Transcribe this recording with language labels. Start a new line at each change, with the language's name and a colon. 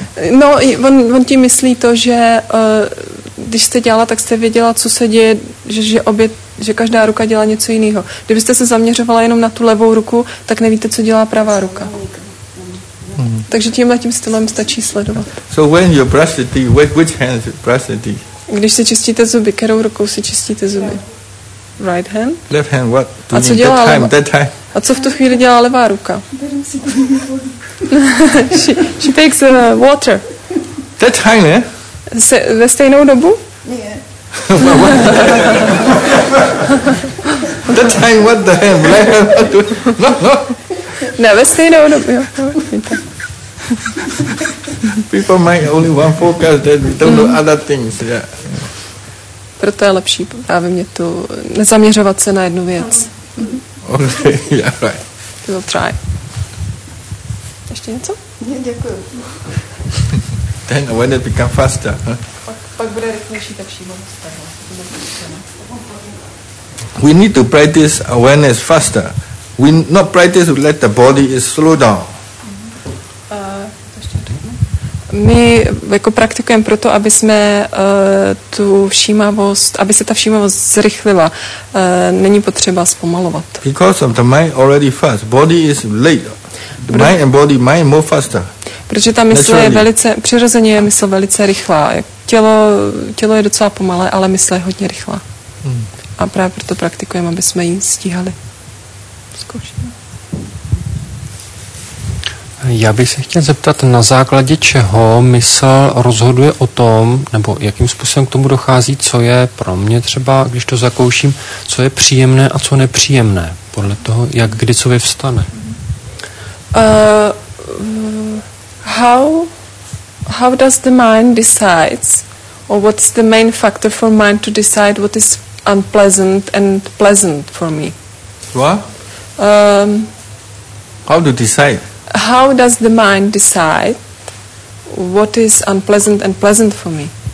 Czech: No, on tím myslí to, že když jste dělala, tak jste věděla, co se děje, že každá ruka dělá něco jiného. Kdybyste se zaměřovala jenom na tu levou ruku, tak nevíte, co dělá pravá ruka. Takže tímhle tím stylem stačí sledovat.
English: So when you brush the teeth, which hand brush the teeth?
Czech: Když si čistíte zuby, kterou rukou si čistíte zuby?
English: Right hand? Left hand, what?
Czech: A co dělá
English: that time?
Czech: A co v tu chvíli dělá levá ruka?
English: she takes water. That time, eh?
Czech: Ve stejnou dobu?
English: Yeah. That time, what the hell? No.
Czech: Ne, ve stejnou dobu, jo.
English: People might only one focus, they don't know other things, yeah.
Czech: Proto je lepší právě mě tu nezaměřovat se na jednu věc.
English: Okay, yeah, right. We'll try.
Czech: Ještě něco? Ne, děkuji.
English: Then when it become faster, huh?
Czech: Pak bude rychlejší, tak všímavost.
English: We need to practice awareness faster. We not practice to let the body is slow down.
Czech: My jako praktikujeme proto, aby jsme tu všímavost, aby se ta všímavost zrychlila. Není potřeba zpomalovat. Because of the mind already fast, body is late. Mind and body, mind more faster. Protože ta mysl je velice, přirozeně je mysl velice rychlá. Tělo je docela pomalé, ale mysl je hodně rychlá. A právě proto praktikujeme, aby jsme ji stíhali. Zkoušíme. Já bych se chtěl zeptat, na základě čeho mysl rozhoduje o tom, nebo jakým způsobem k tomu dochází, co je pro mě třeba, když to zakouším, co je příjemné a co nepříjemné, podle toho, jak kdy co vyvstane.
English: How does the mind decide, or what's the main factor for mind to decide what is unpleasant and pleasant for me? What? How to decide? How does the mind decide what is unpleasant and pleasant for me?